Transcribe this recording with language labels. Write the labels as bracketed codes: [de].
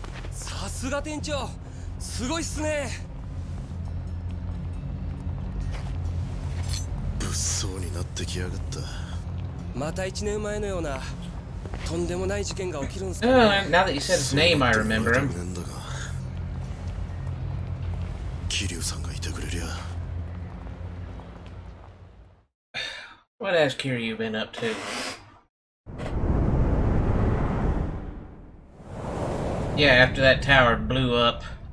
[ja] さすが店長、すごいっすね。そうになってきやがった。また1年前のようなとんでもない事件が起きるんすか。 [en] Now that you said his name, I remember him. [ja] キリュウさんがいてくれりゃ。 [en] What has Kiryu been up to? Yeah, after that tower blew up.